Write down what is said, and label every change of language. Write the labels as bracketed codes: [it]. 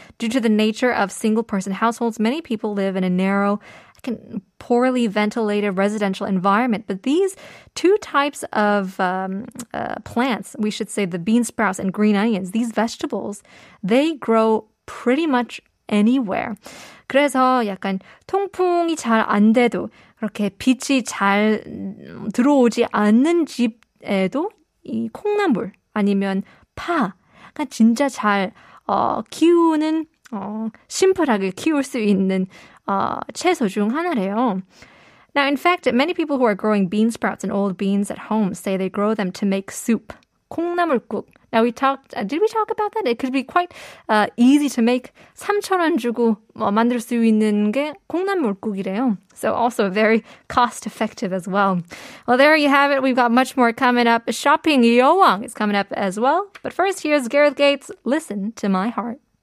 [en] Due to the nature of single-person households, many people live in a narrow, poorly ventilated residential environment. But these two types of plants, we should say the bean sprouts and green onions, these vegetables, they grow pretty much anywhere. [ko] 그래서 약간 통풍이 잘 안 돼도 이렇게 빛이 잘 들어오지 않는 집에도 이 콩나물 아니면 파가 진짜 잘 키우는 심플하게 키울 수 있는 채소 중 하나래요. [en] Now, in fact, many people who are growing bean sprouts and old beans at home say they grow them to make soup. [ko] 콩나물국. [en] Now, did we talk about that? It could be quite easy to make. [ko] 3,000원 주고 만들 수 있는 게 콩나물국이래요. [en] So also very cost-effective as well. Well, there you have it. We've got much more coming up. Shopping 여왕 is coming up as well. But first, here's Gareth Gates. Listen to my heart.